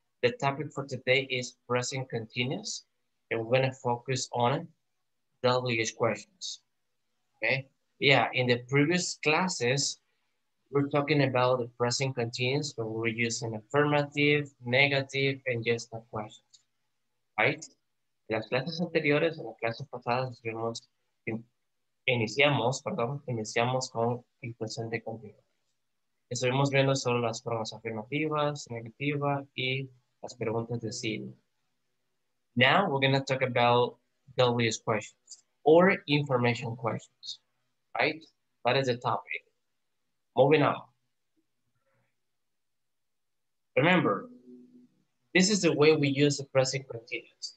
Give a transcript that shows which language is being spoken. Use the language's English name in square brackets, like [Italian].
[English] The topic for today is present continuous, and we're going to focus on WH questions. Okay? Yeah, in the previous classes, we're talking about the present continuous, but we're using affirmative, negative, and yes no questions, right? [Spanish] En las clases anteriores, en las clases pasadas, iniciamos con el presente continuo. Estuvimos viendo solo las formas afirmativas, negativa, y las preguntas de sí. [English] Now we're going to talk about WH questions or information questions, right? That is the topic. Moving on. Remember, this is the way we use the present continuous.